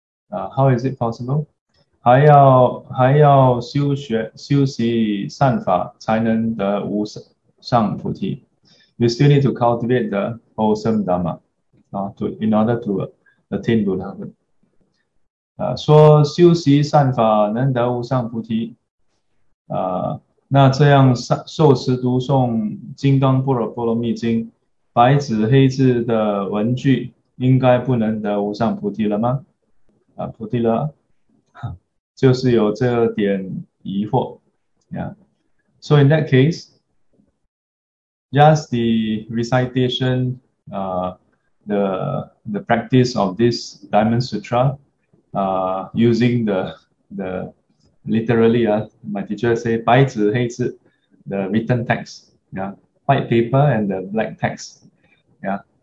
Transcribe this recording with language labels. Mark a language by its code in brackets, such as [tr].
[en] How is it possible？ [zh] 还要修习善法才能得无上菩提。 [en] You still need to cultivate the wholesome Dharma in order to attain Buddhahood。 [zh] 说修习善法能得无上菩提，那这样受持读诵《金刚般若波罗蜜经》，白纸黑字的文句，应该不能得无上菩提了吗？啊，菩提了，就是有这点疑惑呀。 [en] So in that case, just the recitation, the practice of this Diamond Sutra, using the literally, my teacher say, [zh] 白纸黑字, [en] the written text, yeah, white paper and the black text, yeah.